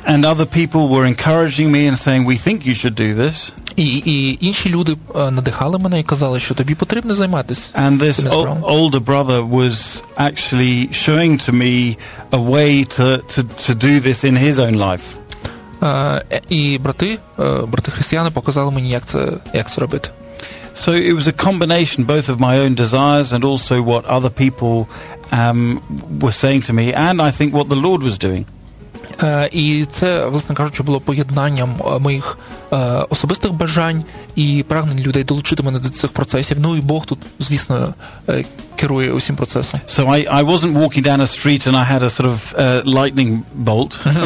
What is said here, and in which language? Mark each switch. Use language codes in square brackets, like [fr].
[en] And other people were encouraging me and saying, "We think you should do this." [uk] І інші люди надихали мене і казали, що тобі потрібно займатися. [en] And this older brother was actually showing to me a way to do this in his own life. [uk] І брати християни показали мені, як це робити. [en] So it was a combination both of my own desires and also what other people were saying to me, and I think what the Lord was doing. [uk] І це, власне кажучи, було поєднанням моїх особистих бажань і прагнень людей долучити мене до цих процесів. Ну і Бог тут, звісно, керує усім процесом. [en] So I wasn't walking down a street and I had a sort of lightning bolt.